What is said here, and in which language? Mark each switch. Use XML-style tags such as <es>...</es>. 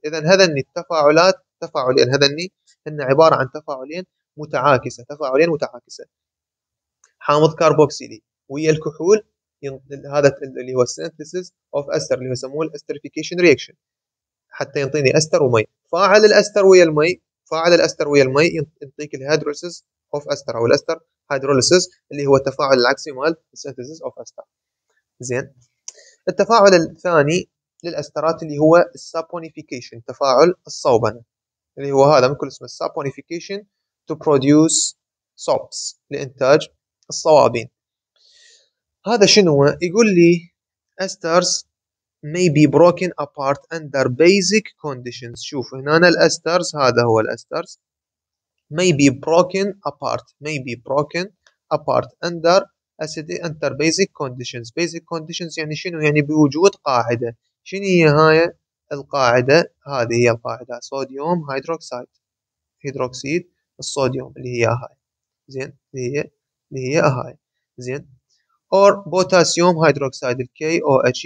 <ar>اذا هذني التفاعلات تفاعلين، هذني هن عباره عن تفاعلين متعاكسه، تفاعلين متعاكسه، حامض كربوكسيلي ويا الكحول هذا اللي هو</ar> <en>synthesis of ester</en> <ar>اللي يسموه</ar> <en>esterification reaction</en> <ar>حتى يعطيني أستر ومي، فاعل الأستر ويا المي، فاعل الأستر ويا المي يعطيك الهيدروليسيس of ester أو الأستر هيدروليسيس اللي هو التفاعل العكسي مال synthesis of ester. زين التفاعل الثاني للأسترات اللي هو saponification، تفاعل الصوبنة اللي هو هذا من كل اسمه</ar> <en>saponification to produce salts،</en> <ar>لإنتاج الصوابين. هذا شنو يقول لي؟</ar> <en>esters may be broken apart under basic conditions.</en> <ar>شوف هنا الاسترز، هذا هو الاسترز،</ar> <en>may be broken apart، may be broken apart under acidic under basic conditions. basic conditions</en> <ar>يعني شنو؟ يعني بوجود قاعدة. شنو هي هاي القاعدة؟ هذه هي القاعدة، صوديوم هيدروكسيد، هيدروكسيد الصوديوم اللي هي هاي، زين اللي هي هاي، زين</ar> <en>or potassium hydroxide</en> <ar>ال KOH.</ar>